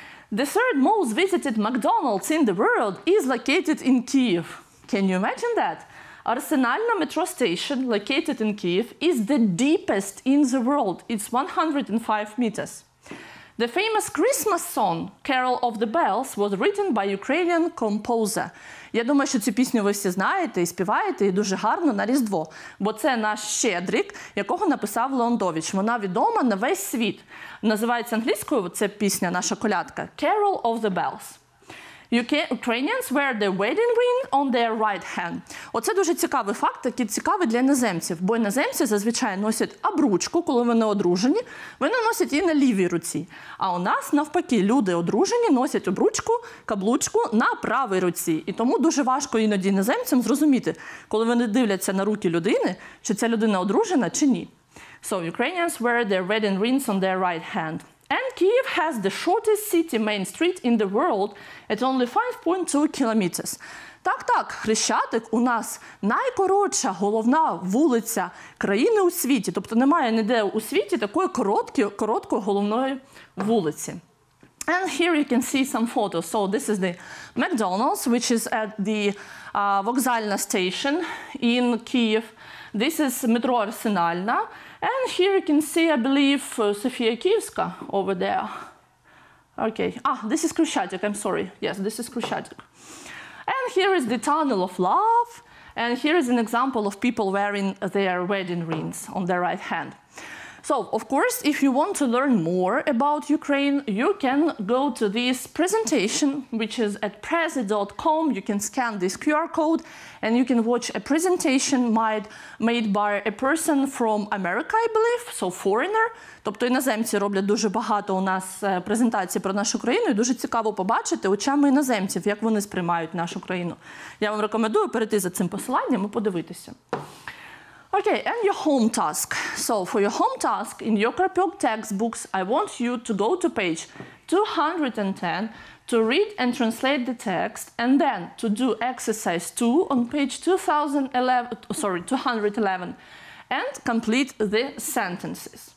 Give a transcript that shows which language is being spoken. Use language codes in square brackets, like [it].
[en] The third most visited McDonald's in the world is located in Kyiv. Can you imagine that? Arsenalna metro station, located in Kyiv, is the deepest in the world. It's 105 meters. The famous Christmas song, Carol of the Bells, was written by Ukrainian composer. [uk] Я думаю, що цю пісню ви всі знаєте і співаєте, і дуже гарно на Різдво. Бо це наш Щедрик, якого написав Леондович. Вона відома на весь світ. Називається англійською ця пісня, наша колядка, Carol of the Bells. [en] Ukrainians wear the wedding ring on their right hand. [uk] Оце дуже цікавий факт, який цікавий для іноземців. Бо іноземці зазвичай носять обручку, коли вони одружені, вони носять її на лівій руці. А у нас, навпаки, люди одружені носять обручку, каблучку на правій руці. І тому дуже важко іноді іноземцям зрозуміти, коли вони дивляться на руки людини, чи ця людина одружена, чи ні. [en] So Ukrainians wear their wedding rings on their right hand. And Kyiv has the shortest city main street in the world at only 5.2 kilometers. [uk] Так-так, Хрещатик у нас найкоротша головна вулиця країни у світі. Тобто немає ніде у світі такої короткої головної вулиці. [en] And here you can see some photos. So this is the McDonald's, which is at the Vokzalna station in Kyiv. This is Metro Arsenalna. And here you can see, I believe, Sofia Kievska over there. Okay. Ah, this is Khrushchev. I'm sorry. Yes, this is Khrushchev. And here is the Tunnel of Love. And here is an example of people wearing their wedding rings on their right hand. So, of course, if you want to learn more about Ukraine, you can go to this presentation, which is at prezi.com. You can scan this QR code and you can watch a presentation made by a person from America, I believe, so foreigner. [uk] Тобто іноземці роблять дуже багато у нас презентацій про нашу країну і дуже цікаво побачити очами іноземців, як вони сприймають нашу країну. Я вам рекомендую перейти за цим посиланням і подивитися. [en] Okay, and your home task. So for your home task in your Karpyok textbooks, I want you to go to page 210 to read and translate the text and then to do exercise 2 on page 211 and complete the sentences.